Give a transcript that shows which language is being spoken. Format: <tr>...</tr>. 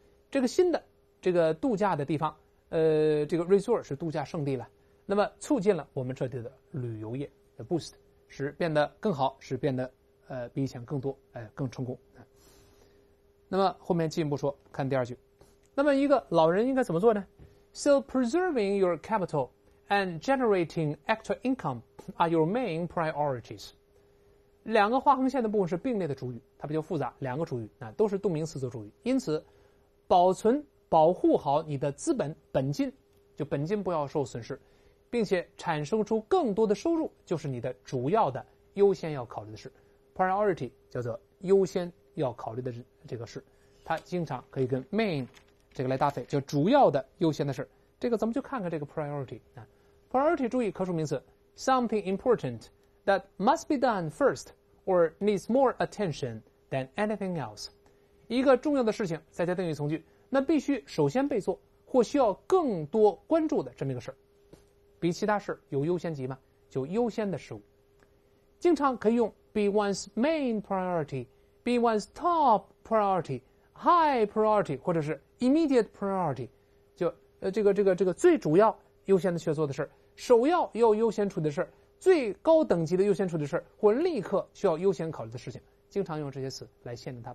<zh>这个新的这个度假的地方，这个 resort 是度假胜地了，那么促进了我们这里的旅游业的 boost， 使变得更好，使变得比以前更多，更成功。那么后面进一步说，看第二句。那么一个老人应该怎么做呢？</zh> <en>So preserving your capital and generating extra income are your main priorities.</en> <zh>两个划横线的部分是并列的主语，它比较复杂，两个主语，那都是动名词做主语。因此，保存、保护好你的资本、本金，就本金不要受损失，并且产生出更多的收入，就是你的主要的优先要考虑的事。 Priority 叫做优先要考虑的这个事，它经常可以跟 main这个来搭配，就主要的优先的事。这个咱们就看看这个 priority 啊。 priority 注意可数名词 ，</zh> <en>something important that must be done first or needs more attention than anything else。</en> <zh>一个重要的事情，再加定语从句，那必须首先被做或需要更多关注的这么一个事，比其他事有优先级吗？就优先的事物。经常可以用 be one's main priority, be one's top priority, high priority 或者是immediate priority， 就这个最主要优先的去做的事，首要要优先处理的事，最高等级的优先处理的事，或立刻需要优先考虑的事情，经常用这些词来限定它。</zh>